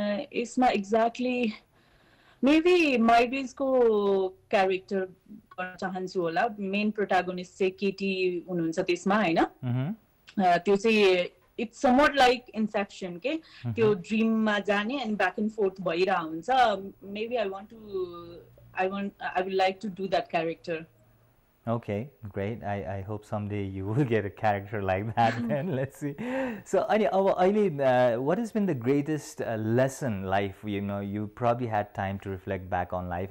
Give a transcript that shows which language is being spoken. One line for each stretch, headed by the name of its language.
English: It's not exactly, maybe my base ko character
Nepali: गर्न चाहन्छु होला। मेन प्रोटागोनिस्ट चाहिँ केटी हुनुहुन्छ त्यसमा होइन, त्यो चाहिँ
English: it's somewhat like Inception
Nepali: के, त्यो ड्रिममा जाने अनि
English: back and forth
Nepali: भइरह हुन्छ।
English: Maybe I will like to do that character. Okay, great. I hope someday you will get a character like that then. Let's see. So what has been the greatest lesson life, you know, you probably had time to reflect back on life?